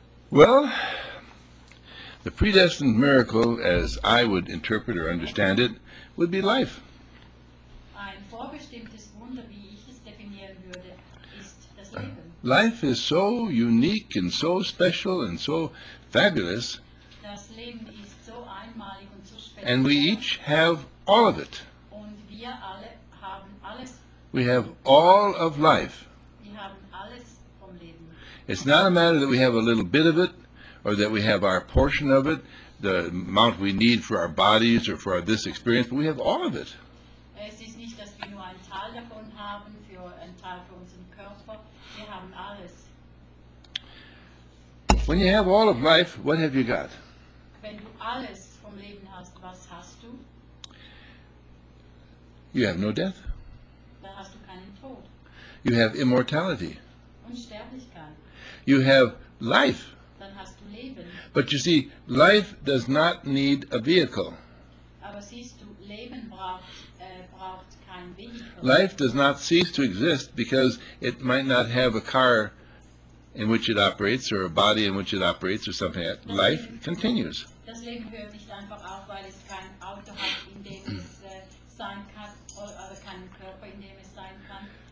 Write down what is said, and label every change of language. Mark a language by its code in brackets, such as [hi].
[en] Well, the predestined miracle, as I would interpret or understand it, would be life. [de] Ein vorbestimmtes Wunder, wie ich es definieren würde, ist das Leben. [en] Life is so unique and so special and so fabulous. [de] Das Leben ist so einmalig und so speziell. [en] And we each have all of it. [de] Und wir alle haben alles. [en] We have all of life. [de] Wir haben alles vom Leben. [en] It's not a matter that we have a little bit of it, or that we have our portion of it, the amount we need for our bodies or for this experience, but we have all of it. [de] Es ist nicht, dass wir nur einen Teil davon haben, für einen Teil für unseren Körper. Wir haben alles. [en] When you have all of life, what have you got? [de] Wenn du alles vom Leben hast, was hast du? [en] You have no death. [de] Dann hast du keinen Tod. [en] You have immortality. [de] Unsterblichkeit. [en] You have life. [de] Dann hast du Leben. [en] But you see, life does not need a vehicle. [de] Aber siehst du, Leben braucht kein Vehicle. [en] Life does not cease to exist because it might not have a car in which it operates, or a body in which it operates, or something like that. Life continues. [de] Das Leben hört nicht einfach auf, weil es kein Auto hat, in dem es sein kann, oder keinen Körper, in dem es sein kann.